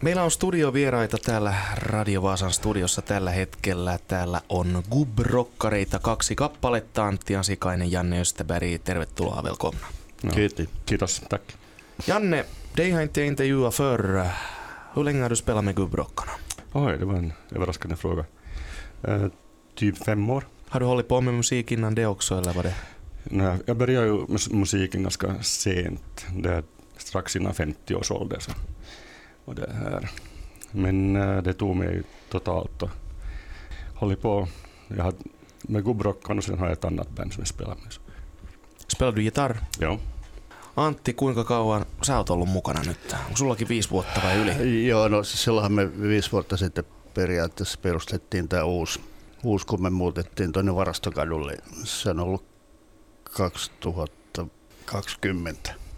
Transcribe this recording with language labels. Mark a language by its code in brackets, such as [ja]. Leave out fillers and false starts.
[fi] Meillä on studiovieraita täällä Radio Vaasan studiossa tällä hetkellä. Täällä on Gubrokkareita kaksi kappaletta. Antti Asikainen, Janne Österberg, tervetuloa, velkomna. Kiitti. Kiitos. Tack. [sv] Janne, dig har inte intervjuat förr. Hur länge har du spelat med Gubbrockarna? Oj, det var en överraskande fråga. Typ 5 år. Har du hållit på med musik innan det också, eller vad det? Nej, jag började ju med musiken ganska sent. Det är strax innan 50 års ålder. Så. Och det här. Men det tog mig totalt att hålla på. Jag har med Gubbrockarna och sen har jag ett annat band som jag spelar med. Spelar du gitarr? Joo. [fi] Antti, kuinka kauan sä oot ollut mukana nyt? Onko sullakin 5 vuotta vai yli? Joo, no silloinhan me 5 vuotta sitten periaatteessa perustettiin tämä uusi, kun me muutettiin tuonne Varastokadulle. Se on ollut 2020.